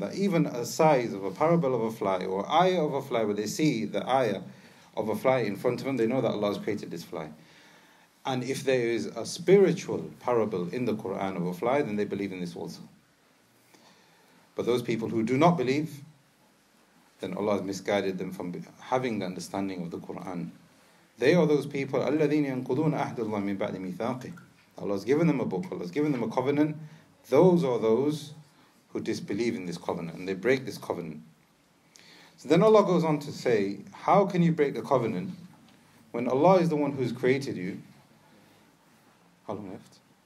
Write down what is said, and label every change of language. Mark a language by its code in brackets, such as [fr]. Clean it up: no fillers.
[en] That even a size of a parable of a fly or ayah of a fly, where they see the ayah of a fly in front of them, they know that Allah has created this fly. And if there is a spiritual parable in the Quran of a fly, then they believe in this also. But those people who do not believe, then Allah has misguided them from having the understanding of the Quran. They are those people, [ar] الَّذِينَ يَنْقُضُونَ أَحْدَ اللَّهِ مِنْ بَعْدِ مِثَاقِهِ. [en] Allah has given them a book, Allah has given them a covenant. Those are those who disbelieve in this covenant, and they break this covenant. So then Allah goes on to say, how can you break the covenant when Allah is the one who has created you? How long left?